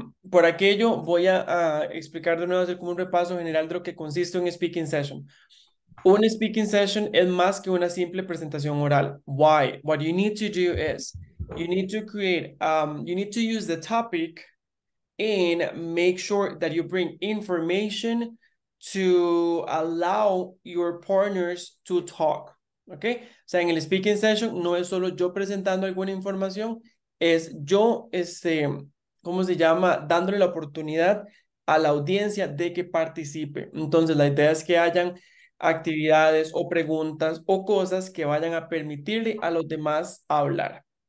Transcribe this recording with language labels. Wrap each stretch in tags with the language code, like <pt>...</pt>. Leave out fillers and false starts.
<es>Por aquello, voy a explicar de nuevo, hacer como un repaso general de lo que consiste un speaking session. Un speaking session es más que una simple presentación oral.</es> <en>Why? What you need to do is you need to you need to use the topic. And make sure that you bring information to allow your partners to talk.</en> <es>Okay? O sea, en el speaking session no es solo yo presentando alguna información, es yo, ¿cómo se llama? Dándole la oportunidad a la audiencia de que participe. Entonces, la idea es que hayan actividades o preguntas o cosas que vayan a permitirle a los demás hablar.</es>